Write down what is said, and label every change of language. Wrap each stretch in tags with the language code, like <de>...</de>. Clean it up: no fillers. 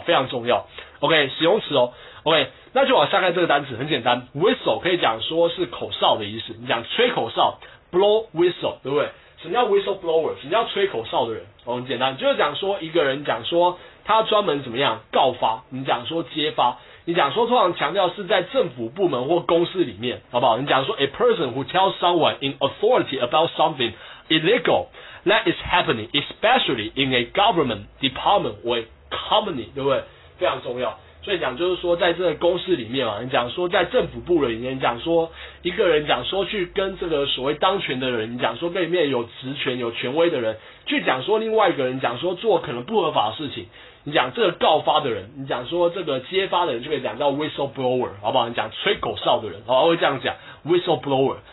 <zh>非常重要。OK， 形容词哦。OK， 那就往下看这个单词，很简单 ，whistle 可以讲说是口哨的意思。你讲吹口哨 ，blow whistle， 对不对？什么叫 whistle blower？什么叫吹口哨的人？哦，很简单，就是讲说一个人讲说他专门怎么样告发，你讲说揭发，你讲说通常强调是在政府部门或公司里面，好不好？你讲说</zh> <en>a person who tells someone in authority about something illegal that is happening, especially in a government department or company，</en> <zh>对不对？非常重要。所以讲就是说在这个公司里面嘛，你讲说在政府部里面，你讲说一个人讲说去跟这个所谓当权的人，你讲说被里面有职权有权威的人去讲说另外一个人讲说做可能不合法的事情，你讲这个告发的人，你讲说这个揭发的人，就可以讲到 whistleblower， 好不好？你讲吹口哨的人，好，我会这样讲 whistleblower。</zh>